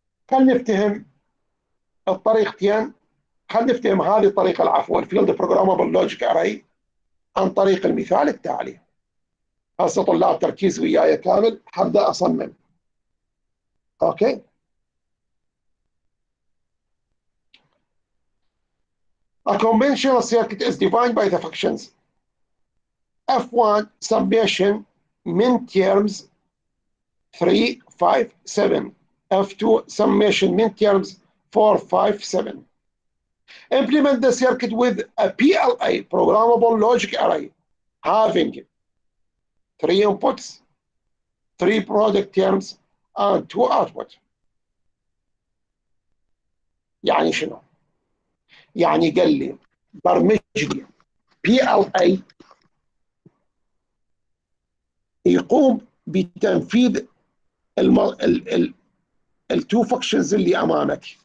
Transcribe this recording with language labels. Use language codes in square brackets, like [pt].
[ar] خلينا نفتهم الطريقتين، خلينا نفتهم هذه الطريقه العفو الفيلد بروجرامبل لوجيك اراي عن طريق المثال التالي. هسه طلاب تركيز وياي كامل، حبدا اصمم. اوكي، [en] A conventional circuit is defined by the functions F1 summation min terms 3, 5, 7. F2 summation min terms 4, 5, 7. Implement the circuit with a PLA, programmable logic array, having 3 inputs, 3 product terms, and 2 outputs. [ar] يعني شنو؟ يعني قال لي برمج لي PLA يقوم بتنفيذ ال two functions اللي أمامك.